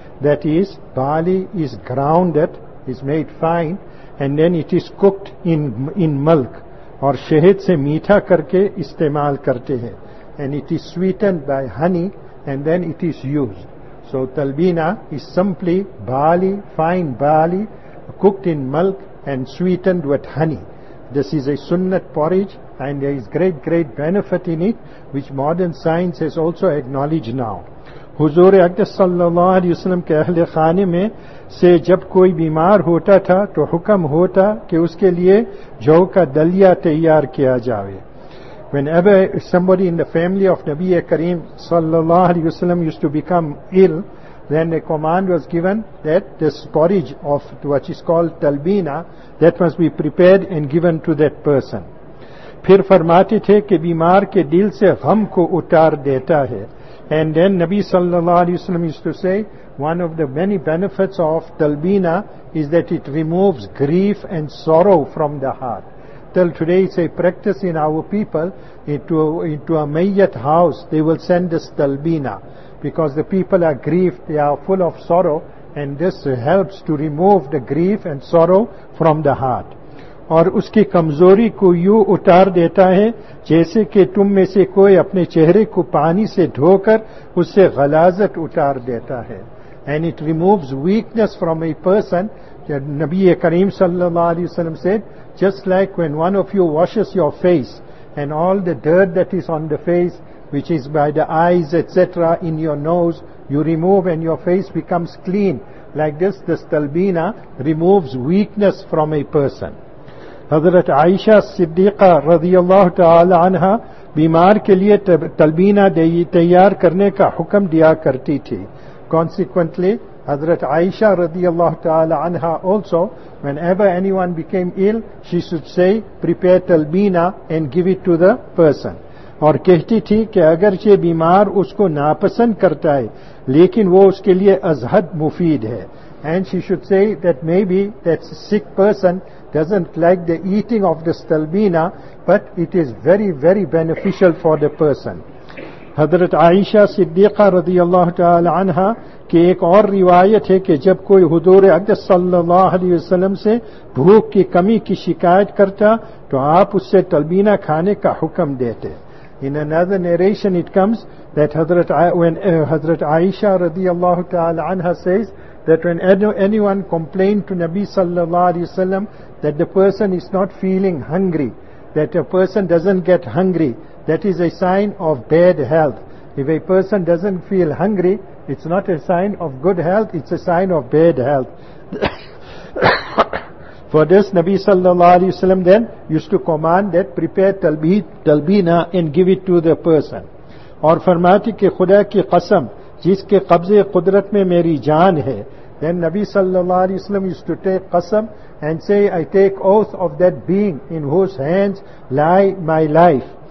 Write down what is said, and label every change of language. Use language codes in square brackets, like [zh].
[en] That is, barley is grounded, is made fine, and then it is cooked in milk, or [ur] shahid se meetha karke istemal karte hai, [en] and it is sweetened by honey, and then it is used. So talbina is simply barley, fine barley, cooked in milk and sweetened with honey. This is a sunnat porridge, and there is great, great benefit in it, which modern science has also acknowledged now. [ur] حضور اکدس صلی اللہ علیہ وسلم کے اہل خانے میں سے جب کوئی بیمار ہوتا تھا تو حکم ہوتا کہ اس کے لیے جو کا دلیا تیار کیا جاوے. [en] Whenever somebody in the family of Nabi Kareem صلی اللہ علیہ وسلم used to become ill, then a command was given that this porridge of which is called talbina, that must be prepared and given to that person. [ur] پھر فرماتے تھے کہ بیمار کے دل سے غم کو اتار دیتا ہے. [en] And then Nabi sallallahu alayhi wa sallam used to say, one of the many benefits of talbina is that it removes grief and sorrow from the heart. Till today it's a practice in our people, into a mayyat house, they will send this talbina. Because the people are grieved, they are full of sorrow, and this helps to remove the grief and sorrow from the heart. [ur] اور اس کی کمزوری کو یوں اتار دیتا ہے جیسے کہ تم میں سے کوئی اپنے چہرے کو پانی سے دھو کر اس سے غلاظت اتار دیتا ہے. [en] And it removes weakness from a person. نبی کریم صلی اللہ علیہ وسلم said, just like when one of you washes your face and all the dirt that is on the face, which is by the eyes, etc., in your nose, you remove and your face becomes clean. Like this, the talbina removes weakness from a person. [ur] حضرت عائشہ صدیقہ رضی اللہ تعالی عنہ بیمار کے لیے تلبینہ تیار کرنے کا حکم دیا کرتی تھی. [en] Consequently, حضرت عائشہ رضی اللہ تعالی عنہ also, whenever anyone became ill, she should say, prepare talbina and give it to the person. [ur] اور کہتی تھی کہ اگرچہ بیمار اس کو ناپسند کرتا ہے لیکن وہ اس کے لیے از حد مفید ہے. [en] And she should say that maybe that sick person doesn't like the eating of this talbina, but it is very, very beneficial for the person. [ur] حضرت عائشہ صدیقہ رضی اللہ تعالی عنہ کی ایک اور روایت ہے کہ جب کوئی حضور اقدس صلی اللہ علیہ وسلم سے بھوک کی کمی کی شکایت کرتا تو آپ اس سے تلبینہ کھانے کا حکم دیتے. [en] In another narration it comes that Hazrat Aisha radiyallahu ta'ala anha says that when anyone complained to Nabi sallallahu alayhi wa sallam that the person is not feeling hungry, that a person doesn't get hungry, that is a sign of bad health. If a person doesn't feel hungry, it's not a sign of good health, it's a sign of bad health. For this, Nabi sallallahu alayhi wa sallam then used to command that prepare talbina and give it to the person. [ur] اور فرماتی کہ خدا کی قسم جس کے قبض قدرت میں میری جان ہے. [en] Then Nabi sallallahu alayhi wa sallam used to take qasam and say, I take oath of that being in whose hands lie my life.